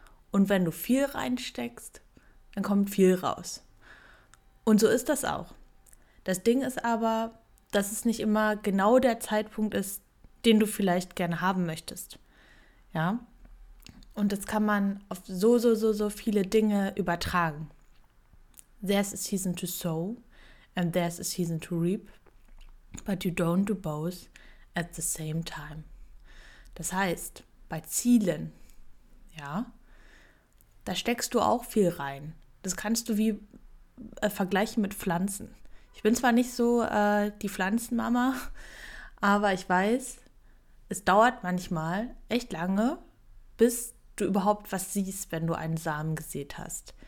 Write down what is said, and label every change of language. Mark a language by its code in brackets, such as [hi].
[de] Und wenn du viel reinsteckst, dann kommt viel raus. Und so ist das auch. Das Ding ist aber, dass es nicht immer genau der Zeitpunkt ist, den du vielleicht gerne haben möchtest. Ja? Und das kann man auf so viele Dinge übertragen. [en] There's a season to sow and there's a season to reap, but you don't do both at the same time. [de] Das heißt, bei Zielen, ja, da steckst du auch viel rein. Das kannst du wie vergleichen mit Pflanzen. Ich bin zwar nicht so die Pflanzenmama, aber ich weiß, es dauert manchmal echt lange, bis du überhaupt was siehst, wenn du einen Samen gesät hast.